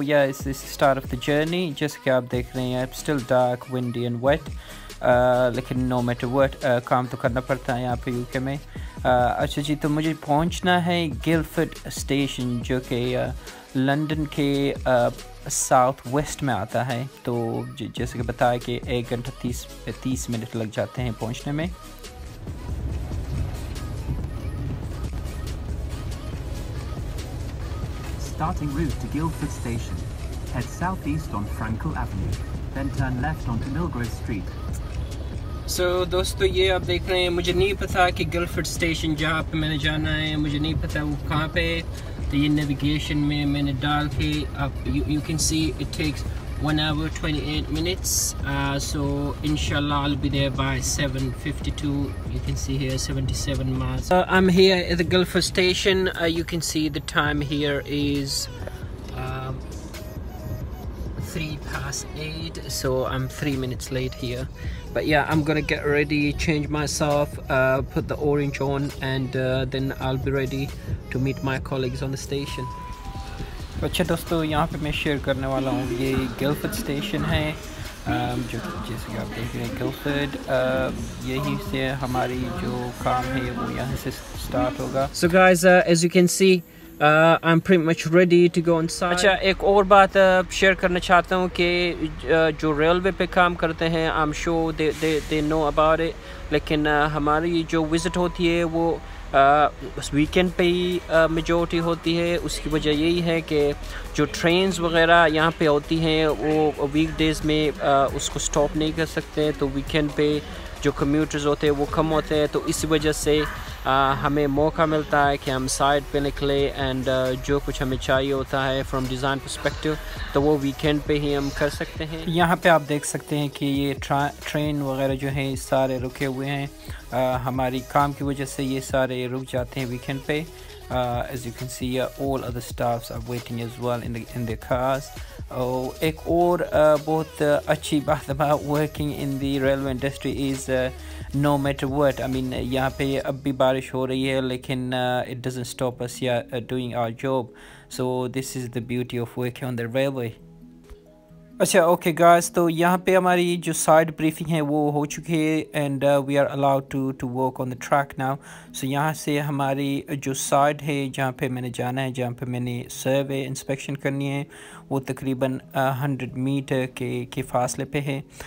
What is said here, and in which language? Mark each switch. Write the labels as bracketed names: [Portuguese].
[English] Yeah, it's this start of the journey. Just [Hindi] kya aap dekh rahe hain, [English] still dark, windy and wet. [Hindi] Lekin [English] no matter what, [Hindi] kaam to karna padta hai yahan pe UK mein. Achha ji, to mujhe pahunchna hai Guildford station jo ke London ke south west में आता है. तो जैसे कि बताया कि 1 घंटा 30 minute लग जाते हैं पहुंचने में. [English] Starting route to Guildford Station. Head southeast on Frankel Avenue, then turn left onto Milgrove Street. [Hindi] So दोस्तों ये आप देख रहे हैं, मुझे नहीं पता कि Guildford Station जहाँ पे मैंने जाना है मुझे नहीं पता वो कहाँ पे. तो ये नेविगेशन में मैंने डाल के आप [English] You can see it takes 1 hour 28 minutes. So इंशाल्लाह I will be there by 7:52. You can see here 77 miles. I am here at the Guildford station. You can see the time here is 8:03. So I am 3 minutes late here. But yeah, I'm gonna get ready, change myself, put the orange on, and then I'll be ready to meet my colleagues on the station. [Hindi] अच्छा दोस्तों, यहाँ पे मैं share करने वाला हूँ. ये Gilford station है, जो जैसे कि आप देख रहे हैं गिल्फर्ड. यहीं से हमारी जो काम है वो यहाँ से स्टार्ट होगा. [English] So guys, as you can see, I'm pretty much ready to go inside. [Hindi] अच्छा एक और बात शेयर करना चाहता हूँ कि जो रेलवे पे काम करते हैं, [English] I am sure they know about it, [Hindi] लेकिन हमारी जो विजिट होती है वो उस वीकेंड पे ही मेजोरिटी होती है. उसकी वजह यही है कि जो ट्रेन्स वगैरह यहाँ पे होती हैं वो वीक डेज में उसको स्टॉप नहीं कर सकते हैं. तो वीकेंड पे जो कम्यूटर्स होते हैं वो कम होते हैं. तो इस वजह से हमें मौका मिलता है कि हम साइड पे निकले एंड जो कुछ हमें चाहिए होता है फ्रॉम डिज़ाइन पर्सपेक्टिव तो वो वीकेंड पे ही हम कर सकते हैं. यहाँ पे आप देख सकते हैं कि ये ट्रेन वगैरह जो हैं सारे रुके हुए हैं. हमारी काम की वजह से ये सारे रुक जाते हैं वीकेंड पे. [English] As you can see, all other staffs are waiting as well in their cars. Oh, [Hindi] एक और बहुत अच्छी बात [English] about working in the railway industry is no matter what. I mean, [Hindi] यहाँ पे अब भी बारिश हो रही है लेकिन [English] it doesn't stop us here doing our job. So this is the beauty of working on the railway. [Hindi] अच्छा ओके गाइस, तो यहाँ पे हमारी जो साइड ब्रीफिंग है वो हो चुकी है [English] And we are allowed to work on the track now. [Hindi] सो यहाँ से हमारी जो साइड है जहाँ पे मैंने जाना है, जहाँ पे मैंने सर्वे इंस्पेक्शन करनी है, वो तकरीबन 100 meter के फासले पे है.